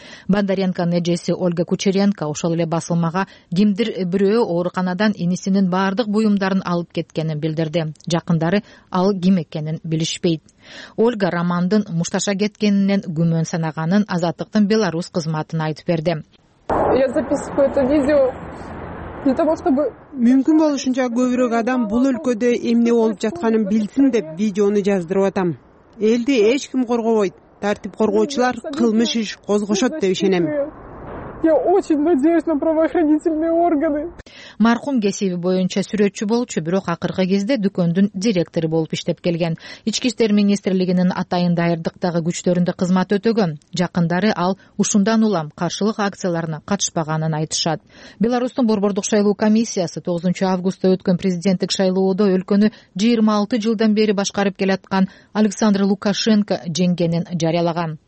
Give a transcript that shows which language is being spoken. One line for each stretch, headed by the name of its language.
Kyrgyz: Бондаренконун эжеси Ольга Кучеренко ошол эле басылмага кимдир бирөө ооруканадан инисинин бардык буюмдарын алып кеткенин билдирди. Жакындары ал ким экенин билишпейт. Ольга романдын мушташа кеткенинен күмөн санаганын Азаттыктын Беларусь кызматына айтып берди.
Russian: Я записываю это видео для того, чтобы
Kyrgyz: мүмкүн болушунча көбүрөөк адам бул өлкөдө эмне болуп жатканын билсин деп видеону жаздырып атам. Элди эч ким коргобойт. Тартип коргоочулар кылмыш иш козгошот деп ишенем.
Russian: Я очень надеюсь на правоохранительные органы.
Kyrgyz: Маркум кесиби боюнча сүрөтчү болчу, бирок акыркы кезде дүкөндүн директору болуп иштеп келген. Ички иштер министрлигинин атайын даярдыктагы күчтөрүндө кызмат өтөгөн. Жакындары ал ушундан улам каршылык акцияларына катышпаганын айтышат. Беларусьтун борбордук шайлоо комиссиясы 9 августта өткөн президенттик шайлоодо өлкөнү 26 жылдан бери башкарып келаткан Александр Лукашенко жеңгенин жарыялаган.